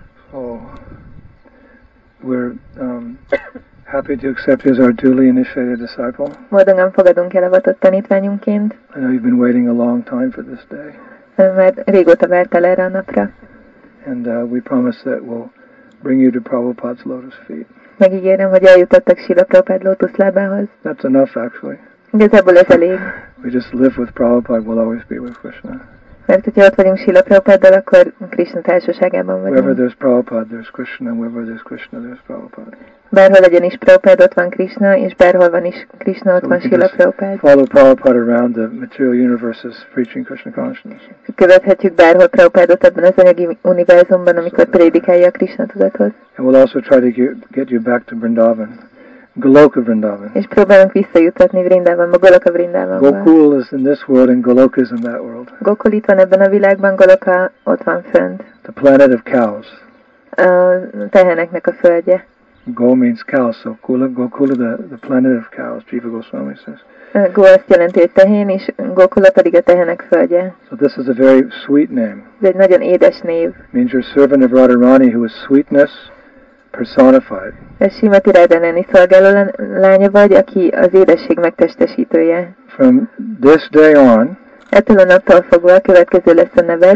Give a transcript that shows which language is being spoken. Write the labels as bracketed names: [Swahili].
[English] So we're happy to accept you as our duly initiated disciple. [Hungarian] Boldogan fogadunk el avatott tanítványunként. [English] I know you've been waiting a long time for this day. [Hungarian] Mert régóta vártál erre a napra. [English] And we promise that we'll bring you to Prabhupada's lotus feet. [Hungarian] Megígérem, hogy eljutottak Srila Prabhupada lotus lábához. [English] That's enough, actually. [Hungarian] Igazából ez elég. [English] We just live with Prabhupada, we'll always be with Krishna. [Hungarian] Mert hogyha ott vagyunk Srila Prabhupáddal, akkor Krishna társaságában vagyunk. [English] Wherever there's Prabhupada, there's Krishna, and wherever there's Krishna, there's Prabhupada. [Hungarian] Bárhol legyen is Prabhupada, ott van Krishna, és bárhol van is Krishna, ott van Srila Prabhupada. [English] Follow Prabhupada around the material universes, preaching Krishna consciousness. [Hungarian] Követhetjük bárhol Prabhupádot ebben az anyagi univerzumban, amikor prédikálja a Krishna tudatot. [English] And we'll also try to get you back to Vrindavan. Goloka Vrindavan. [Hungarian] És próbálunk visszajutatni Vrindavanba, Goloka Vrindavanba. [English] Gokul is in this world and Goloka is in that world. [Hungarian] Gokul itt van ebben a világban, Goloka ott van fönt. [English] The planet of cows. [Hungarian] Teheneknek a földje. [English] Go means cow, so Gokula, Gokula the planet of cows, Jiva Goswami says. [Hungarian] Go azt jelenti, hogy tehén, és Gokula pedig a tehenek földje. [English] So this is a very sweet name. [Hungarian] Ez egy nagyon édes név. [English] Means you're a servant of Radharani, who is sweetness personified. [Hungarian] Ez Simati Radharani szolgáló lánya vagy, aki az édesség megtestesítője. [English] From this day on, [Hungarian] ettől a naptól fogva következő lesz a neved.